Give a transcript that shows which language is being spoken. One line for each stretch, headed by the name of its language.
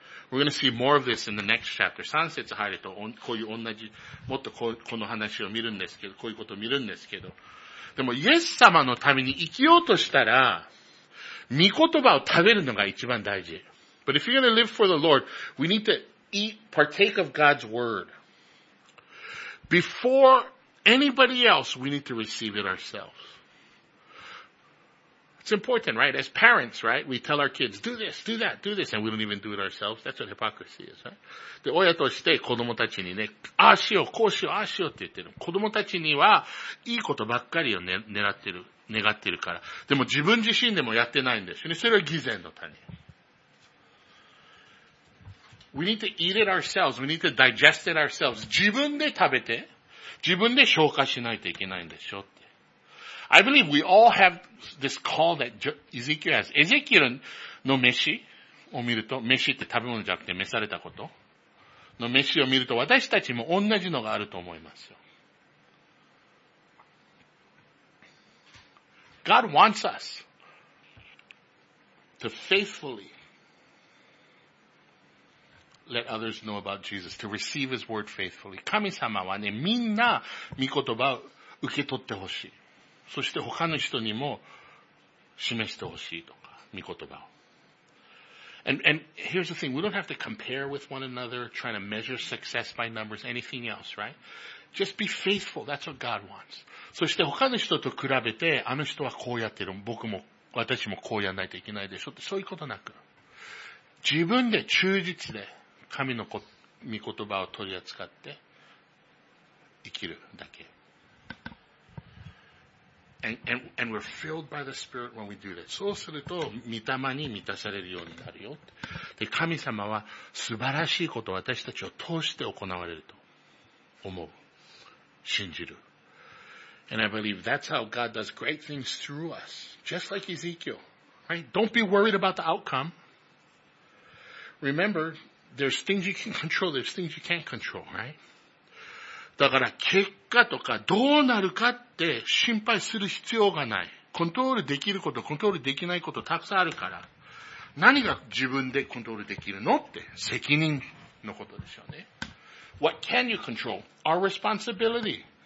English: We're going to see more of this in the next chapter.
Japanese: 3節入るとこういう同じ、もっとこの話を見るんですけど、こういうことを見るんですけど。でも、イエス様のために生きようとしたら、御言葉を食べるのが一番大事。
English: But if you're going to live for the Lord, we need to eat, partake of God's word. Before anybody else, we need to receive it ourselves. It's important, right? As parents, right? We tell our kids, do this, do that, do this, and we don't even do it ourselves. That's what hypocrisy is, right?
Japanese: で、親として子供たちにね、ああしよう、こうしよう、ああしようって言ってる。子供たちには、いいことばっかりを、ね、狙ってる、願ってるから。でも自分自身でもやってないんですよね。それは偽善の種。
English: We need to eat it ourselves. We need to digest it ourselves.
Japanese: 自分で食べて、自分で消化しないといけないんでしょって。
English: I believe we all have this call that Ezekiel has.
Japanese: Ezekiel の飯を見ると、飯って食べ物じゃなくて召されたことの飯を見ると、私たちも同じのがあると思いますよ。
English: God wants us to faithfully let others know about Jesus, to receive His word faithfully.
Japanese: 神様はね、みんな御言葉を受け取ってほしい。そして他の人にも示してほしいとか、御言葉を。
English: And here's the thing, we don't have to compare with one another, trying to measure success by numbers, anything else, right? Just be faithful, that's what God wants.
Japanese: そして他の人と比べて、あの人はこうやってる、僕も、私もこうやらないといけないでしょって、そういうことなく。自分で忠実で、神の御言葉を取り扱って生きるだけ。
English: And we're filled by the Spirit when we do that.
Japanese: そうすると、御霊に満たされるようになるよ。で、神様は素晴らしいことを私たちを通して行われると思う。信じる。
English: And I believe that's how God does great things through us. Just like Ezekiel. Right? Don't be worried about the outcome. Remember,There's things you can control, there's things you can't control, right?
Japanese: だから結果とかどうなるかって心配する必要がない。コントロールできること、コントロールできないことたくさんあるから、何が自分でコントロールできるのって責任のことですよね。
English: What can you control? Our responsibility.